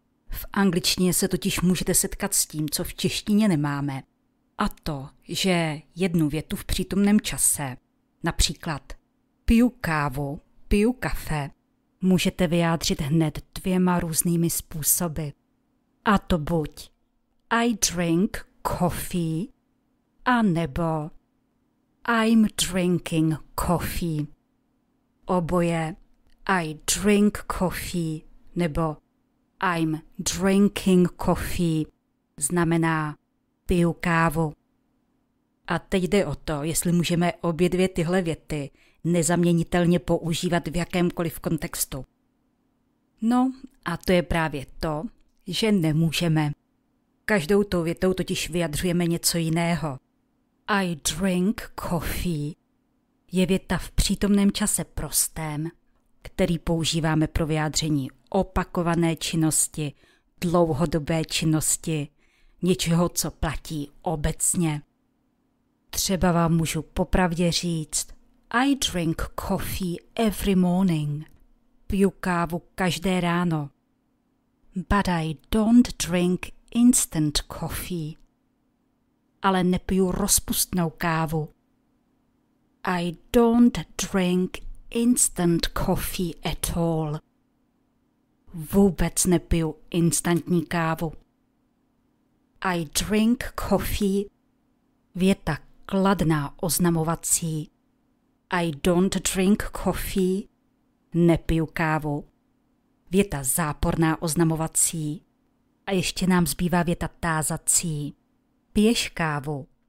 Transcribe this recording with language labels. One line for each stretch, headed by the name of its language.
Czech: V angličtině se totiž můžete setkat s tím, co v češtině nemáme. A to, že jednu větu v přítomném čase, například piju kávu, piju kafe, můžete vyjádřit hned dvěma různými způsoby. A to buď
English: I drink coffee,
Czech: a nebo
English: I'm drinking coffee.
Czech: Oboje
English: I drink coffee
Czech: nebo
English: I'm drinking coffee
Czech: znamená piju kávu. A teď jde o to, jestli můžeme obě dvě tyhle věty nezaměnitelně používat v jakémkoliv kontextu. No, a to je právě to, že nemůžeme. Každou tou větou totiž vyjadřujeme něco jiného.
English: I drink coffee
Czech: je věta v přítomném čase prostém, který používáme pro vyjádření opakované činnosti, dlouhodobé činnosti, něčeho, co platí obecně. Třeba vám můžu popravdě říct,
English: I drink coffee every morning.
Czech: Piju kávu každé ráno.
English: But I don't drink instant coffee.
Czech: Ale nepiju rozpustnou kávu.
English: I don't drink instant coffee at all.
Czech: Vůbec nepiju instantní kávu.
English: I drink coffee.
Czech: Věta kladná oznamovací.
English: I don't drink coffee.
Czech: Nepiju kávu. Věta záporná oznamovací. A ještě nám zbývá věta tázací. Piješ kávu?